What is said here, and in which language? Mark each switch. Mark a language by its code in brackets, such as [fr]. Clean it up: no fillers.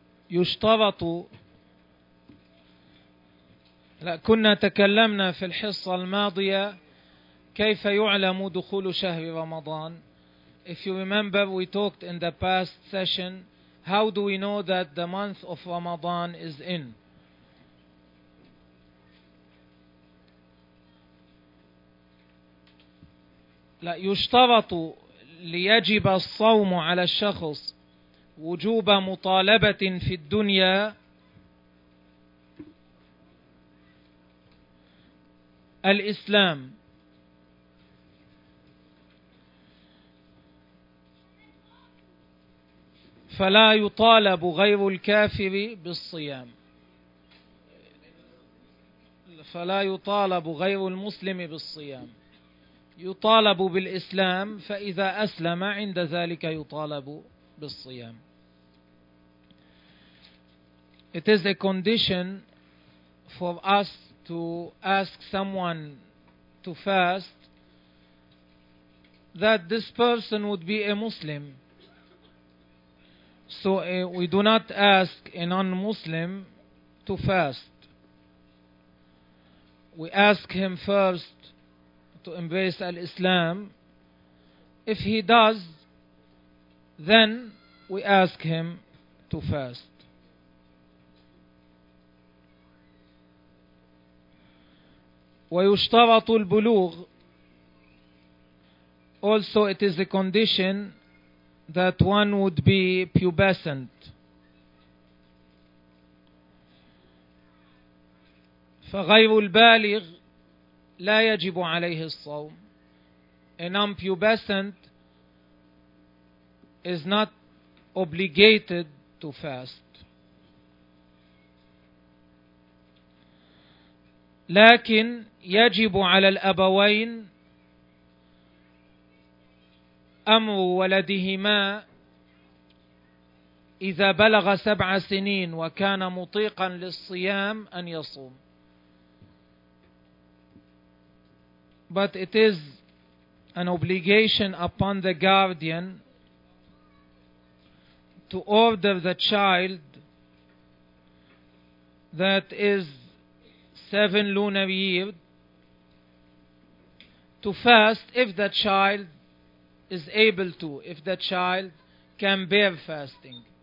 [ar] يشترط كنا تكلمنا في الحصة الماضية كيف يعلم دخول شهر رمضان. [en] If you remember, we talked in the past session, how do we know that the month of Ramadan is in? [ar] لا يشترط ليجب الصوم على الشخص وجوب مطالبة في الدنيا الإسلام. فلا يطالب غير الكافر بالصيام. فلا يطالب غير المسلم بالصيام. يطالب بالإسلام، فإذا أسلم عند ذلك يطالب بالصيام. [en] It is a condition for us to ask someone to fast that this person would be a Muslim. So we do not ask a non-Muslim to fast. We ask him first to embrace al-Islam. If he does, then we ask him to fast. [ar] ويشترط البلوغ. [en] Also it is a condition that one would be pubescent. [ar] فغير البالغ لا يجب عليه الصوم. [en] A non-pubescent is not obligated to fast. [ar] لكن يجب على الأبوين أمر ولدهما إذا بلغ 7 سنين وكان مطيقا للصيام أن يصوم. [en] But it is an obligation upon the guardian to order the child that is 7 lunar years to fast if the child is able to, if the child can bear fasting.